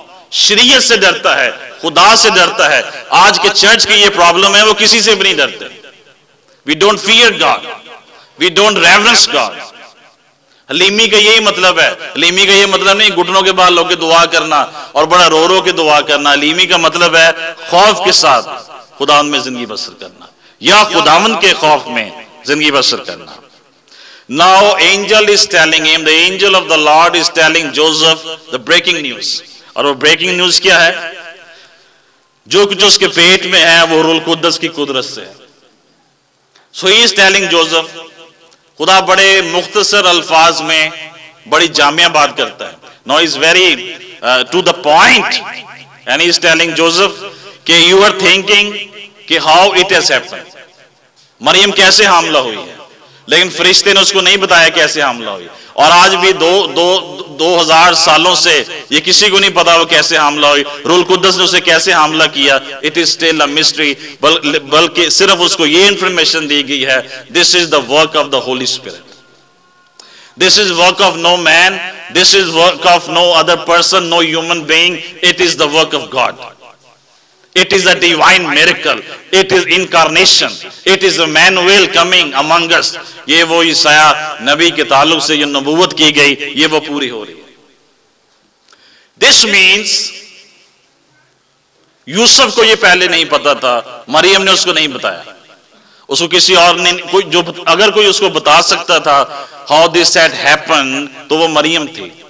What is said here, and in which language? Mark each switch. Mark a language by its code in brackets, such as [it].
[ur] شریعت سے ڈرتا ہے, خدا سے ڈرتا ہے. آج کے چرچ کی یہ پرابلم ہے, وہ کسی سے بھی نہیں ڈرتے. [en] We don't fear God, we don't reverence God. [ur] حلیمی کا یہی مطلب ہے. حلیمی کا یہ مطلب نہیں گھٹنوں کے بال لو کے دعا کرنا اور بڑا رو رو کے دعا کرنا. حلیمی کا مطلب ہے خوف کے ساتھ خداوند میں زندگی بسر کرنا, یا خداوند کے خوف میں زندگی بسر کرنا. [en] Now angel is telling him, the angel of the Lord is telling Joseph the breaking news. [ur] اور وہ breaking news کیا ہے؟ جو کچھ اس کے پیٹ میں ہے وہ روح القدس کی قدرت سے. [en] So he is telling Joseph, [ur] خدا بڑے مختصر الفاظ میں بڑی جامعہ بات کرتا ہے. [en] Now he is very to the point and he is telling Joseph کہ you are thinking کہ how it has happened, [ur] مریم کیسے حاملہ ہوئی [en] ہے, لیکن فرشتے نے اس کو نہیں بتایا کیسے حاملہ ہوئی. [ur] اور آج بھی دو ہزار سالوں سے یہ کسی کو نہیں پتا وہ کیسے حاملہ ہوئی, روح القدس نے اسے کیسے حاملہ کیا. [en] It is still a mystery. [ur] بلکہ صرف اس کو یہ انفارمیشن دی گئی ہے, [en] This is the work of the Holy Spirit. This is work of no man. This is work of no other person, no human being. It is the work of God. It is a divine miracle. It is incarnation. It is Emmanuel coming among us. [ur] یہ وہ عیسیٰ نبی کے تعلق سے جو نبوت کی گئی یہ وہ پوری ہو رہی ہے. [en] This means [ur] یوسف کو یہ پہلے نہیں پتا تھا, مریم نے اس کو نہیں بتایا, اس کو کسی اور نے کوئی, جو اگر کوئی اس کو بتا سکتا تھا [en] how this had happened [ur] تو وہ مریم تھی.